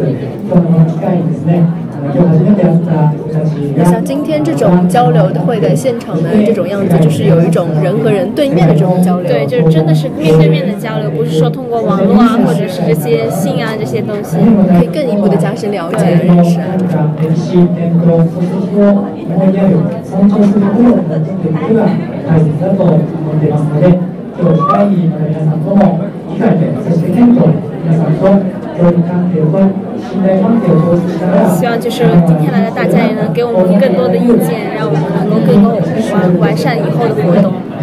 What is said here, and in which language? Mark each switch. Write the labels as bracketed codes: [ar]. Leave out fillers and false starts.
[ja] 今日の機会にですね、今日初めて会った人たちが [zh] 像今天这种交流会的现场的这种样子，就是有一种人和人对面的这种交流，对，就是真的是面对面的交流，不是说通过网络啊或者是这些信啊这些东西，可以更一步的加深了解认识啊，这种 [ja] 歴史伝統そして思いやりを尊重する部分が大切だと思っていますので、今日機会に皆さんとも [zh] 希望就是今天来的大家也能给我们更多的意见，让我们能够更多完善以后的活动。